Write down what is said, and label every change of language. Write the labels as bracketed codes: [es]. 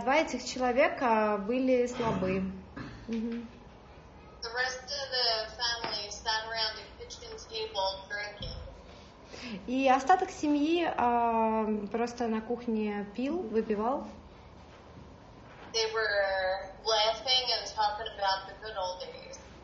[ru] Два этих человека были слабы. [en] The rest of the family sat around the kitchen table drinking. [ru] И остаток семьи просто на кухне пил, выпивал. [en] They were laughing and talking about the good old days.